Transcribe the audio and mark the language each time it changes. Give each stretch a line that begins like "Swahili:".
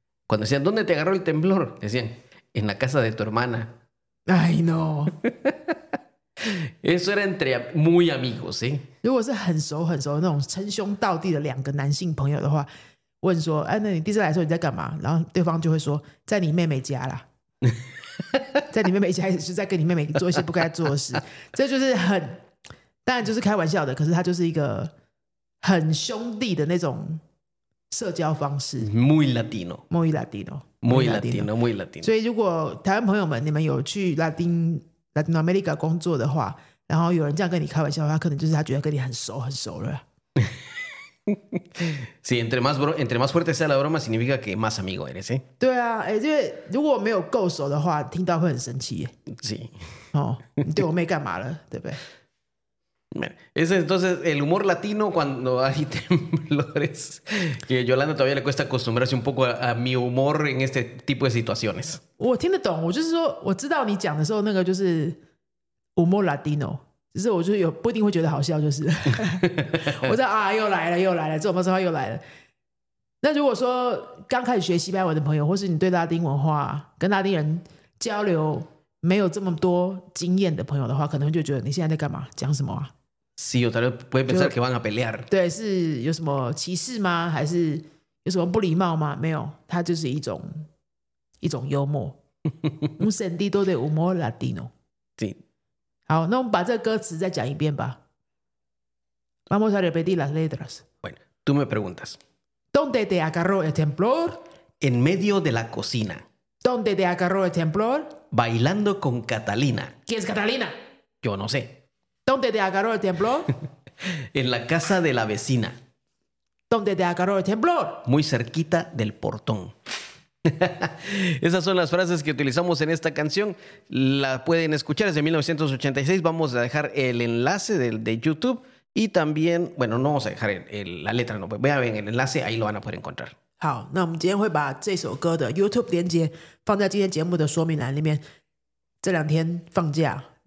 Spanish: Cuando decían, ¿dónde te agarró el temblor? Decían, en la casa de tu hermana. ¡Ay, no! Eso era entre muy amigos, ¿eh? Si es muy cercano, muy cercano, de dos amigos de hombres, de preguntan, ¿qué estás haciendo? Y el otro te va a decir, en tu hermana. ¡Ja!
Chinese: 在你妹妹家一直在跟你妹妹做一些不该做的事，这就是很，当然就是开玩笑的，可是它就是一个很兄弟的那种社交方式。
Spanish: Muy latino. Muy latino. Muy latino. Muy latino.
Chinese: 所以如果台湾朋友们，你们有去拉丁，拉丁美洲工作的话，然后有人这样跟你开玩笑，他可能就是他觉得跟你很熟很熟了。
Spanish: Sí, entre más fuerte sea la broma, significa que más amigo eres, ¿eh?
Chinese: 对啊，因为如果没有够熟的话，听到会很生气耶。
Spanish: Sí.
Chinese: Oh, 对我没干嘛了，对不对？
Spanish: Ese entonces el humor latino cuando hay temblores, que Yolanda todavía le cuesta acostumbrarse un poco a mi humor en este tipo de situaciones.
Chinese: 我听得懂，我就是说，我知道你讲的时候，那个就是
Spanish: humor latino，
Chinese: 就是我就是有不一定会觉得好笑，就是我说啊又来了又来了，这种话又来了。那如果说刚开始学西班牙文的朋友，或是你对拉丁文化跟拉丁人交流没有这么多经验的朋友的话，可能会觉得你现在在干嘛，讲什么啊？
Spanish: Sí, o tal vez puede pensar que van a pelear.
Chinese: 对, 是有什么歧视吗？还是有什么不礼貌吗？没有，它就是一种幽默。
Spanish: Un sentido de humor latino. Sí.
Chinese: 好，那我们把这个歌词再讲一遍吧。
Spanish: Vamos a repetir las letras. Bueno, tú me preguntas. ¿Dónde te agarró el temblor? En medio de la cocina. ¿Dónde te agarró el temblor? Bailando con Catalina. ¿Quién es Catalina? Yo no sé. ¿Dónde te agarró el temblor? En la casa de la vecina. ¿Dónde te agarró el temblor? Muy cerquita del portón. Esas son las frases que utilizamos en esta canción. La pueden escuchar, es de 1986. Vamos a dejar el enlace de YouTube. Y también, bueno, no vamos a dejar la letra, no. Voy a ver el enlace, ahí lo van a poder encontrar.
Chinese: 好，那我们今天会把这首歌的YouTube连接放在今天节目的说明栏里面。这两天放假。